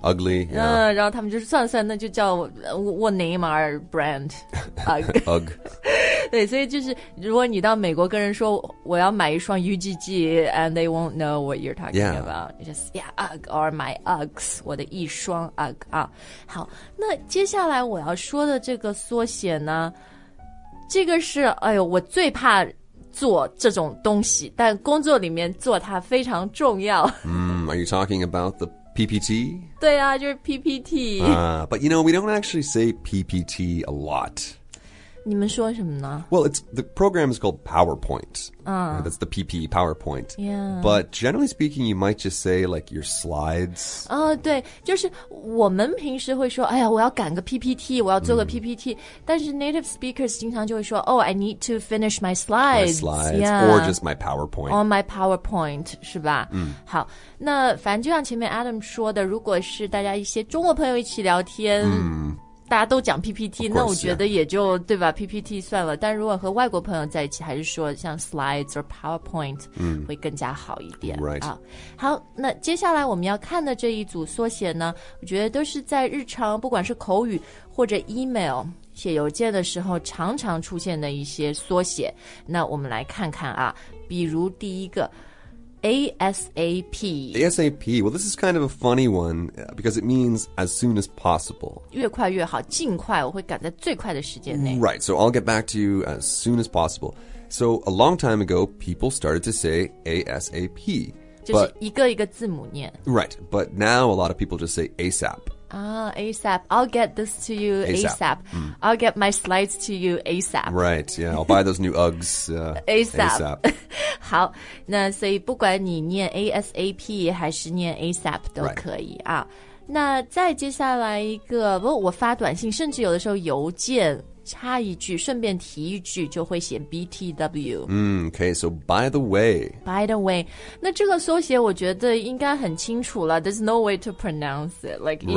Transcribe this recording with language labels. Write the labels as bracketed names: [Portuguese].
[English] Ugly, yeah. [Chinese] 然后他们就是算算那就叫 [English] what name our brand? Ugg. Ugg. [Chinese] 对，所以就是如果你到美国跟人说我要买一双 UGG, [English] and they won't know what you're talking、 yeah. about. Just, yeah, Ugg, or my Uggs, [Chinese] 我的一双 [English] Ugg. [Chinese] 啊，好，那接下来我要说的这个缩写呢，这个是，哎呦，我最怕做这种东西，但工作里面做它非常重要。 [English] Are you talking about the PPT? [Chinese] 对啊，就是 PPT. [English] But you know, we don't actually say PPT a lot. [Chinese] 你们说什么呢 [English] Well, it's, the program is called PowerPoint. That's the PP, PowerPoint. Yeah. But generally speaking, you might just say like your slides. [Chinese] 对，就是我们平时会说，哎呀，我要赶个 PPT, 我要做个 PPT. 但是 [English] native speakers [Chinese] 经常就会说 , [English] Oh, I need to finish my slides. My slides, yeah. Or just my PowerPoint. Or my PowerPoint, [Chinese] 是吧？好，那反正就像前面 Adam 说的，如果是大家一些中国朋友一起聊天大家都讲 PPT, [English] course, [Chinese] 那我觉得也就、 [English] yeah. [Chinese] 对吧 ,PPT 算了。但如果和外国朋友在一起还是说像 [English] slides or PowerPoint [Chinese] 会更加好一点。 [English] Right. [Chinese] 好，那接下来我们要看的这一组缩写呢，我觉得都是在日常不管是口语或者 email, 写邮件的时候常常出现的一些缩写。那我们来看看啊，比如第一个ASAP. [English] ASAP. Well, this is kind of a funny one because it means as soon as possible. [Chinese] 越快越好，尽快，我会赶在最快的时间内。 [English] Right, so I'll get back to you as soon as possible. So a long time ago, people started to say ASAP. [Chinese] 就是一个一个字母念。 [English] Right, but now a lot of people just say ASAP. ASAP. I'll get this to you ASAP. I'll get my slides to you ASAP. Right, yeah. I'll buy those new Uggs ASAP. [Chinese] 好，那所以不管你念 ASAP 还是念 ASAP 都可以、 [English] right. [Chinese] 啊。那再接下来一个，我发短信，甚至有的时候邮件插一句顺便提一句就会写 BTW、 [English] Okay, so by the way. By the way, [Chinese] 那这个缩写我觉得应该很清楚了 [English] There's no way to pronounce it, like even